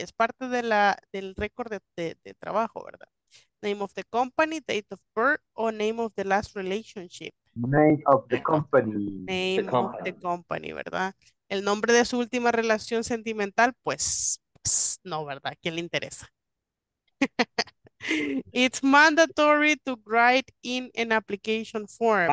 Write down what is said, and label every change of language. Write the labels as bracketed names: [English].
[Spanish] Es parte de la del récord de trabajo, ¿verdad? [English] Name of the company, date of birth, or name of the last relationship. Name of the company. Name the company. Of the company, ¿verdad? [Spanish] El nombre de su última relación sentimental, pues, no, ¿verdad? ¿Quién le interesa? [English] It's mandatory to write in an application form.